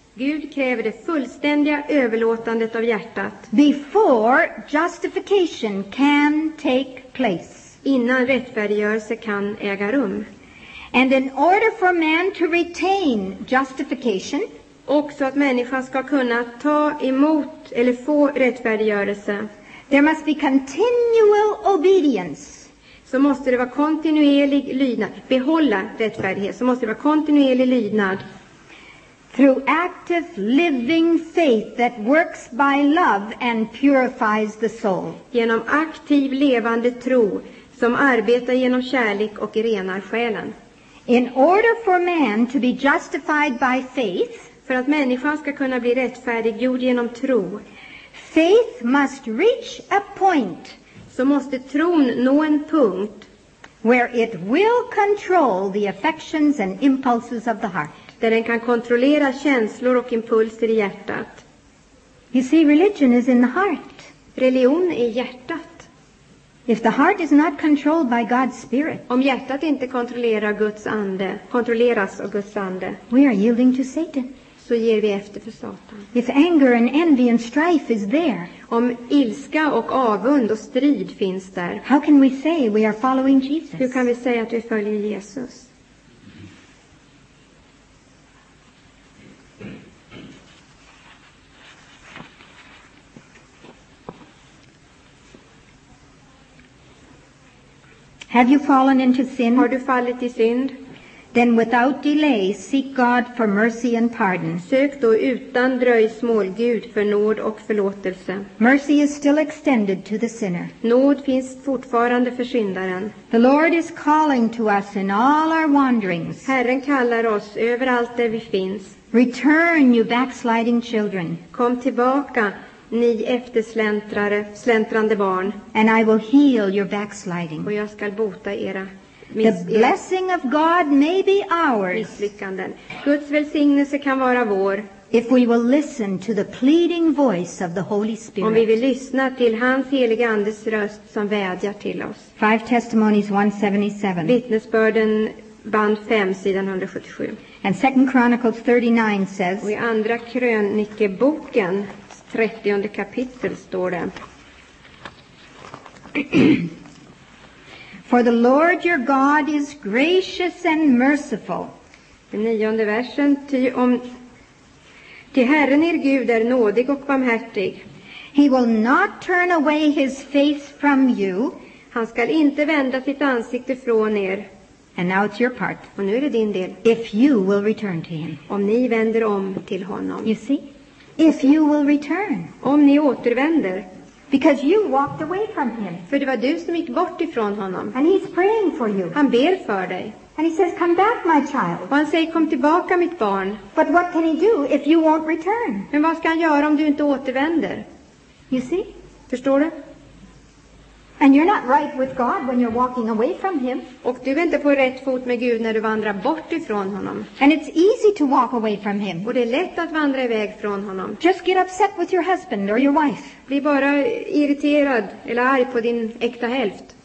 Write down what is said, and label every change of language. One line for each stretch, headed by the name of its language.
Swedish: Gud kräver det fullständiga överlåtandet av hjärtat.
English: Before justification can take place.
Swedish: Innan rättfärdiggörelse kan äga rum.
English: And in order for man to retain justification,
Swedish: också att människan ska kunna ta emot eller få rättfärdiggörelse,
English: there must be continual obedience.
Swedish: Så måste det vara kontinuerlig lydnad. Behålla rättfärdighet. Så måste det vara kontinuerlig lydnad.
English: Through active living faith that works by love and purifies the soul.
Swedish: Genom aktiv levande tro som arbetar genom kärlek och renar själen.
English: In order for man to be justified by faith,
Swedish: för att människan ska kunna bli rättfärdiggjord genom tro,
English: faith must reach a point,
Swedish: så måste tron nå en punkt,
English: where it will control the affections and impulses of the heart.
Swedish: Där den kan kontrollera känslor och impulser i hjärtat.
English: You see, religion is in the heart.
Swedish: Religion är hjärtat.
English: If the heart is not controlled by God's spirit,
Swedish: om hjärtat inte kontrollerar Guds ande, kontrolleras av Guds ande,
English: we are yielding to Satan.
Swedish: Så ger vi efter för Satan.
English: If anger and envy and strife is there,
Swedish: om ilska och avund och strid finns där,
English: how can we say we are following Jesus?
Swedish: Hur kan vi säga att vi följer Jesus?
English: Have you fallen into sin?
Swedish: Har du fallit i synd?
English: Then without delay seek God for mercy and pardon.
Swedish: Sök då utan dröjsmål Gud för nåd och förlåtelse.
English: Mercy is still extended to the sinner.
Swedish: Nåd finns fortfarande för syndaren.
English: The Lord is calling to us in all our wanderings.
Swedish: Herren kallar oss överallt där vi finns.
English: Return, you backsliding children.
Swedish: Kom tillbaka, ni eftersläntrare, släntrande barn.
English: And I will heal your backsliding.
Swedish: Och jag ska bota era misslyckanden.
English: The blessing of God may be ours.
Swedish: Guds välsignelse kan vara vår.
English: If we will listen to the pleading voice of the Holy Spirit.
Swedish: Om vi vill lyssna till hans heliga andes röst som vädjar till oss.
English: Five Testimonies 177.
Swedish: Vittnesbörden band 5 sidan 177.
English: And Second Chronicles 39 says.
Swedish: Och i andra krönikeboken 30:e kapitel står det.
English: For the Lord your God is gracious and merciful.
Swedish: Den 9:e versen, till Herren er Gud är nådig och barmhärtig.
English: He will not turn away his face from you.
Swedish: Han ska inte vända sitt ansikte från er.
English: And now it's your part.
Swedish: Och nu är det din del.
English: If you will return to him.
Swedish: Om ni vänder om till honom.
English: You see? If you will return.
Swedish: Om ni återvänder.
English: Because you walked away from him.
Swedish: För det var du som gick bort ifrån honom.
English: And he's praying for you.
Swedish: Han ber för dig.
English: And he says, come back, my child.
Swedish: Och han säger, kom tillbaka mitt barn.
English: But what can he do if you won't return?
Swedish: Men vad ska han göra om du inte återvänder?
English: You see?
Swedish: Förstår du?
English: And you're not right with God when you're walking away from him.
Swedish: Och du är inte på rätt fot med Gud när du vandrar bort ifrån honom.
English: And it's easy to walk away from him.
Swedish: Och det är lätt att vandra iväg från honom.
English: Just get upset with your husband or your wife.
Swedish: Bli bara irriterad eller arg på din äkta hälft.